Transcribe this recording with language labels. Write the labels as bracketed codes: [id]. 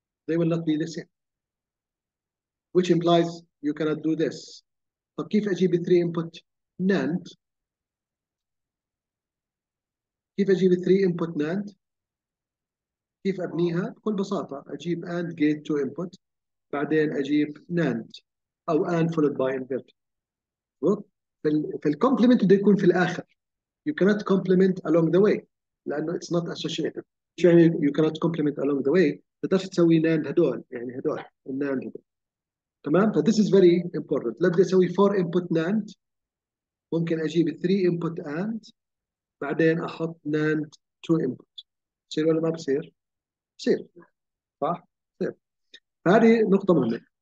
[en] They will not be the same. Which implies you cannot do this. [ar] طب كيف اجيب 3 input NAND؟ كيف اجيب 3 input NAND؟ كيف ابنيها؟ بكل بساطة اجيب AND gate 2 input، بعدين اجيب NAND او AND followed by invert. في الـ complement بده يكون في الآخر. [en] You cannot complement along the way [ar] لأنه [en] it's not associative. [ar] شو يعني [en] you cannot complement along the way؟ [ar] بتقدر تسوي NAND هدول، يعني هدول الناند هدول، تمام؟ ف [en] this is very important. [ar] لو بدي أسوي 4 input NAND ممكن أجيب 3 input AND، بعدين أحط NAND 2 input. بصير ولا ما بصير؟ بصير، صح؟ بصير. هذه نقطة مهمة.